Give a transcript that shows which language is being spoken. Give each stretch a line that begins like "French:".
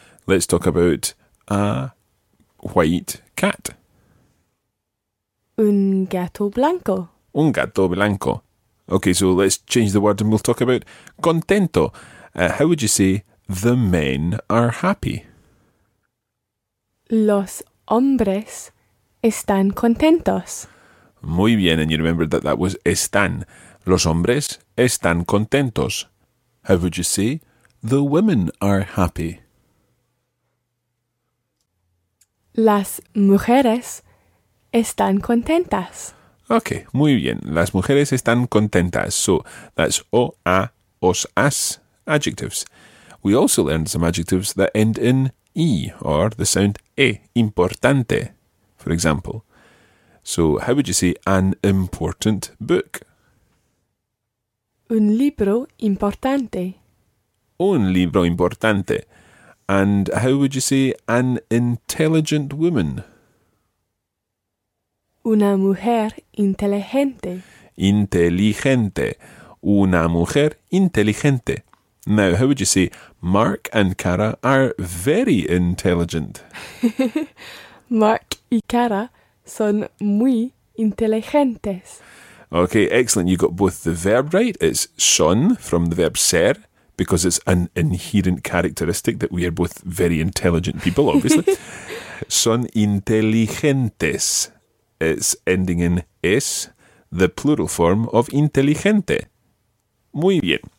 English: Let's talk about a white cat.
Spanish: Un gato blanco. Un gato blanco.
English: Okay, so let's change the word and we'll talk about contento. How would you say the men are happy?
Spanish: Los hombres están contentos. Muy bien,
English: and you remembered that that was están.
Spanish: Los hombres están contentos.
English: How would you say the women are happy?
Spanish: Las mujeres están contentas.
English: Okay,
Spanish: muy bien. Las mujeres están contentas.
English: So, that's o, a, os, as adjectives. We also learned some adjectives that end in I, or the sound e, importante, for example. So, how would you say an important book?
Spanish: Un libro importante. Un libro importante.
English: And how would you say an intelligent woman?
Spanish: Una mujer inteligente. Inteligente. Una mujer inteligente.
English: Now, how would you say Mark and Cara are very intelligent?
Spanish: Mark y Cara son muy inteligentes.
English: Okay, excellent. You got both the verb right. It's son from the verb ser, because it's an inherent characteristic that we are both very intelligent people, obviously.
Spanish: Son inteligentes.
English: It's ending in es, the plural form of inteligente.
Spanish: Muy bien.